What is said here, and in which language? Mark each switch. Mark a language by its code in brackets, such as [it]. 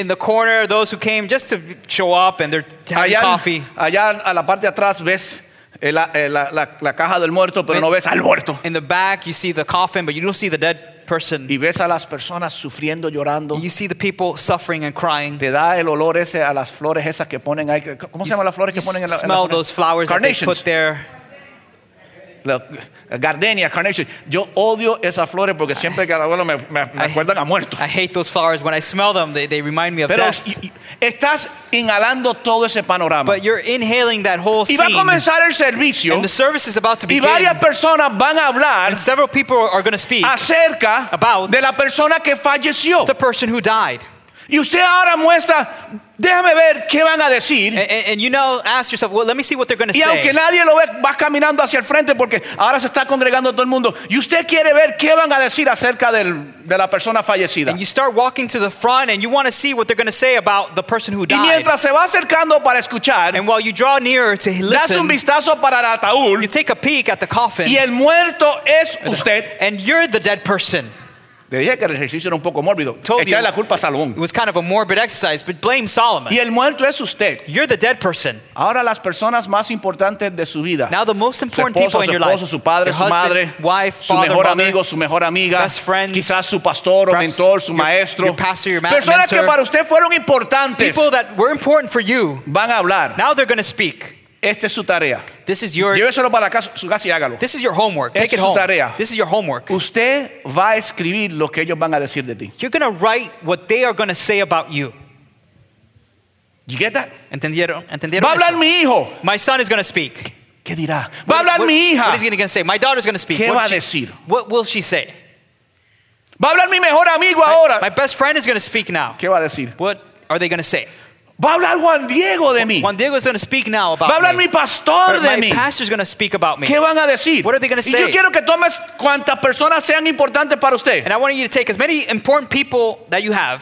[en] In the corner are those who came just to show up and they're having [es] allá, [en] coffee. [es] Allá a la parte de atrás ves la caja del muerto, pero no ves al muerto. [en] In the back you see the coffin, but you don't see the dead person. [es] Y ves a las personas sufriendo, llorando. [en] You see the people suffering and crying. [es] Te da el olor ese a las flores esas que ponen ahí. ¿Cómo se llaman las flores que ponen en la? [en] Smell those flowers that they put there. Gardenia, carnation. [es] Yo odio esas flores porque siempre que abuelo me acuerdan a muerto. [en] I hate those flowers. When I smell them, they remind me of [es] pero [en] death. [es] Estás inhalando todo ese panorama. [en] But you're inhaling that whole scene. [es] Y va a comenzar el servicio. [en] And the service is about to begin. [es] Y varias personas van a hablar. [en] And several people are going to speak. [es] Acerca [en] about [es] de la persona que falleció. [en] The person who died. [es] Y usted ahora muestra. Déjame ver qué van a decir. [en] And you now ask yourself, well, let me see what they're going to say. [es] Y aunque nadie lo ve, va caminando hacia el frente porque ahora se está congregando todo el mundo. Y usted quiere ver qué van a decir acerca de la persona fallecida. [en] And you start walking to the front and you want to see what they're going to say about the person who died. [es] Y mientras se va acercando para escuchar, [en] and while you draw nearer to listen, [es] das un vistazo para el ataúd, [en] you take a peek at the coffin, [es] y el muerto es usted, [en] and you're the dead person. [es] Le dije que el ejercicio era un poco mórbido. Echarle la culpa a Salomón. [en] It was kind of a morbid exercise, but blame Solomon. [es] Y el muerto es usted. [en] You're the dead person. [es] Ahora las personas más importantes de su vida. [en] Now the most important [es] esposo, [en] people in your [es] esposo, [en] life. [es] Su padre, [en] your [es] su [en] husband, [es] madre, [en] wife, [es] su [en] father, [es] mejor [en] mother, [es] amigo, su mejor amiga. [en] Best friends. [es] Quizás su pastor o mentor, su maestro. [en] Your pastor, your [es] personas [en] mentor, [es] que para usted fueron importantes. [en] People that were important for you. [es] Van a hablar. [en] Now they're going to speak. [es] Esta es su tarea. [en] This is your. [es] Lléveselo para su casa y hágalo. [en] This is your homework. Take [es] es [en] it home. [es] Tarea. [en] This is your homework. [es] Usted va a escribir lo que ellos van a decir de ti. [en] You're going to write what they are going to say about you. You get that? [es] ¿Entendieron? Va a hablar eso? Mi hijo. [en] My son is going to speak. [es] ¿Qué dirá? [en] What, [es] va a hablar [en] what, [es] mi hija. [en] What is he going to say? My daughter is going to speak. [es] ¿Qué [en] what [es] va a decir? [en] What will she say? [es] Va a hablar mi mejor amigo ahora. [en] My best friend is going to speak now. [es] ¿Qué va a decir? [en] What are they going to say? [es] Va a hablar Juan Diego de mí. [en] Juan Diego is going to speak now about me. [es] Va a hablar mi pastor de mí. [en] My pastor is going to speak about me. [es] ¿Qué van a decir? [en] What are they going to say? [es] Y yo quiero que tomes cuantas personas sean importantes para usted. [en] And I want you to take as many important people that you have.